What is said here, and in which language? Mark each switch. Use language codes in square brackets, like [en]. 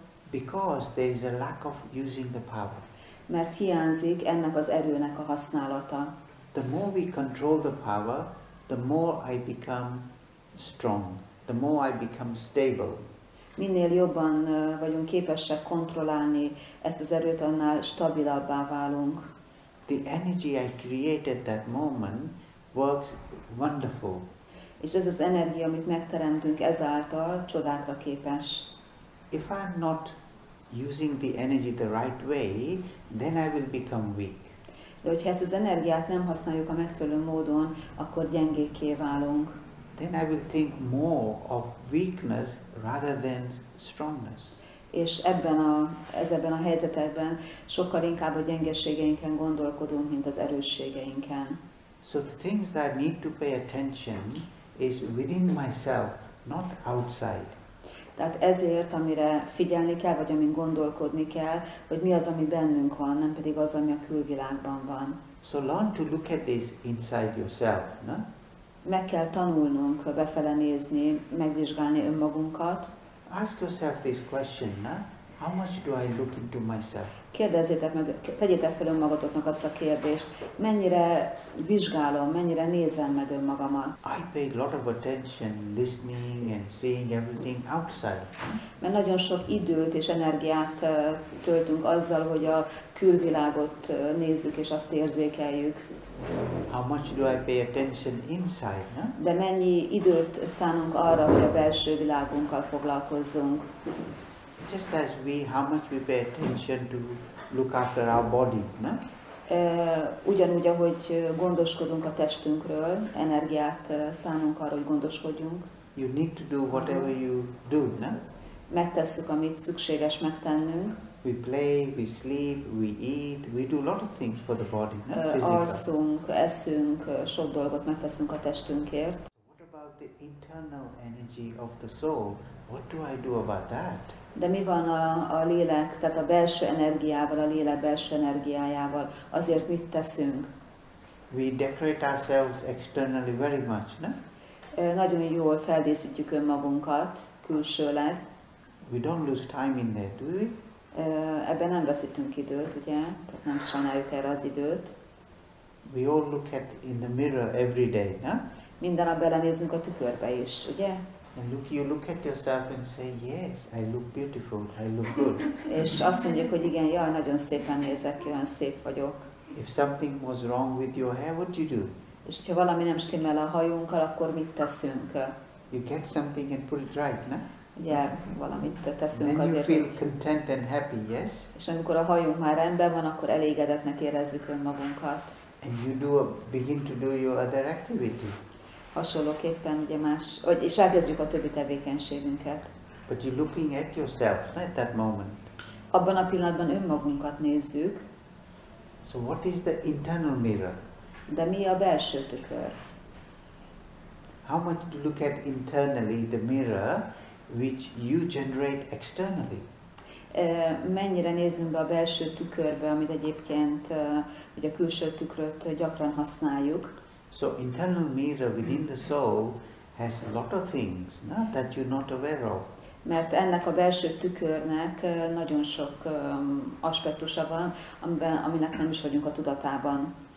[en] Because there is a lack of using the power. [hu] Mert hiányzik ennek az erőnek a használata. [en] The more we control the power, the more I become strong. The more I become stable. [hu] Minél jobban vagyunk képesek kontrollálni ezt az erőt, annál stabilabbá válunk. [en] The energy I created that moment works wonderful. [hu] És ez az energia, amit megteremtünk ezáltal, csodákra képes. [en] If I'm not using the energy the right way, then I will become weak. [hu] De hogyha ezt az energiát nem használjuk a megfelelő módon, akkor gyengékké válunk. [en] Then I will think more of weakness rather than strongness. [hu] És ebben a helyzetekben sokkal inkább a gyengeségeinken gondolkodunk, mint az erősségeinken. [en] So the things that I need to pay attention is within myself, not outside. [hu] Tehát ezért, amire figyelni kell, vagy amin gondolkodni kell, hogy mi az, ami bennünk van, nem pedig az, ami a külvilágban van. [en] So learn to look at this inside yourself, no? [hu] meg kell tanulnunk befele nézni, megvizsgálni önmagunkat. [en] Ask yourself this question, how much do I look into myself? [hu] Kérdezzétek meg, tegyétek fel önmagatoknak azt a kérdést, mennyire vizsgálom, mennyire nézem meg önmagamat. [en] I pay a lot of attention listening and seeing everything outside. [hu] Mert nagyon sok időt és energiát töltünk azzal, hogy a külvilágot nézzük és azt érzékeljük. [en] How much do I pay attention inside, na? [hu] De mennyi időt szánunk arra, hogy a belső világunkkal foglalkozzunk? [en] Just as we, how much we pay attention to look after our body, na? [hu] Ugyanúgy, ahogy gondoskodunk a testünkről, energiát szánunk arra, hogy gondoskodjunk. [en] You need to do whatever you do, na? [hu] Megtesszük, amit szükséges megtennünk. [en] We play, we sleep, we eat, we do a lot of things for the body, physically. [hu] Alszunk, eszünk, sok dolgot megteszünk a testünkért. [en] What about the internal energy of the soul? What do I do about that? [hu] De mi van a lélek, tehát a belső energiával, a lélek belső energiájával? Azért mit teszünk? [en] We decorate ourselves externally very much, no? [hu] Nagyon jól feldíszítjük önmagunkat, külsőleg. [en] We don't lose time in there, do we? [hu] Ebben nem veszítünk időt, ugye? Tehát nem sajnáljuk erre az időt. [en] We all look at in the mirror every day, na? [hu] Minden nap belenézünk a tükörbe is, ugye? [en] And look, you look at yourself and say, yes, I look beautiful, I look good. [hu] És azt mondjuk, hogy igen, jaj, nagyon szépen nézek, olyan szép vagyok. [en] If something was wrong with your hair, what do you do? [hu] És hogyha valami nem stimmel a hajunkkal, akkor mit teszünk? [en] You get something and put it right, na? [hu] Ugye, valamit teszünk azért, [en] feel content and happy, yes? [hu] És amikor a hajunk már rendben van, akkor elégedetnek érezzük önmagunkat. [en] And you do a, begin to do your other activity. [hu] Hasonlóképpen ugye más, és elkezdjük a többi tevékenységünket. [en] But you're looking at yourself, not at that moment. [hu] Abban a pillanatban önmagunkat nézzük. [en] So what is the internal mirror? [hu] De mi a belső tükör? [en] How much do you look at internally the mirror which you generate externally? [hu] Mennyire nézünk be a belső tükörbe, amit egyébként ugye a külső tükröt gyakran használjuk. [en] So internal mirror within the soul has a lot of things, no, that you're not aware of. [hu] Mert ennek a belső tükörnek nagyon sok aspektusa van, aminek nem is vagyunk a tudatában.